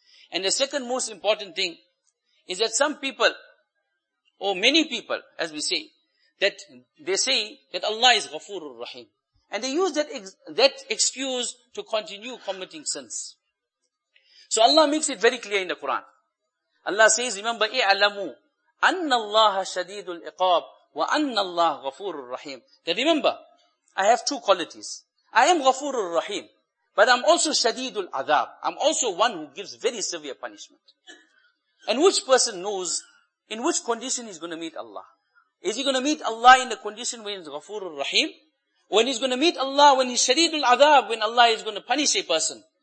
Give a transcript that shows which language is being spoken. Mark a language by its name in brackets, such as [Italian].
[English] And the second most important thing is that some people, or many people, as we say, that they say that Allah is Ghafoorur Rahim. And they use that excuse to continue committing sins. So Allah makes it very clear in the Quran. [Arabic] Allah says, remember, اِعْلَمُوا أَنَّ اللَّهَ شَدِيدُ الْإِقَابِ وَأَنَّ اللَّهَ غَفُورُ الرَّحِيمُ. [English] That remember, I have two qualities. I am [Arabic] غَفُورُ الرَّحِيمُ, [English] but I'm also [Arabic] شَدِيدُ الْعَذَابِ. [English] I'm also one who gives very severe punishment. And which person knows in which condition he's going to meet Allah? Is he going to meet Allah in the condition when he's [Arabic] غَفُورُ الرَّحِيمُ? [English] When he's going to meet Allah, when he's shadid al-adab, when Allah is going to punish a person.